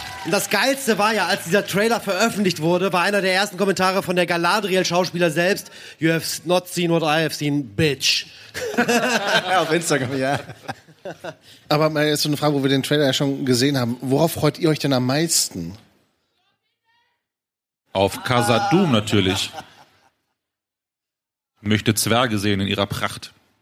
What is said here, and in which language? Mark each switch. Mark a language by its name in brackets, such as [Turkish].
[German] Und das Geilste war ja, als dieser Trailer veröffentlicht wurde, war einer der ersten Kommentare von der Galadriel-Schauspieler selbst. [English] You have not seen what I have seen, bitch. [German] Auf Instagram, ja. Aber mal jetzt so eine Frage, wo wir den Trailer ja schon gesehen haben. Worauf freut ihr euch denn am meisten? Auf Khazad-dûm natürlich. möchte Zwerge sehen in ihrer Pracht.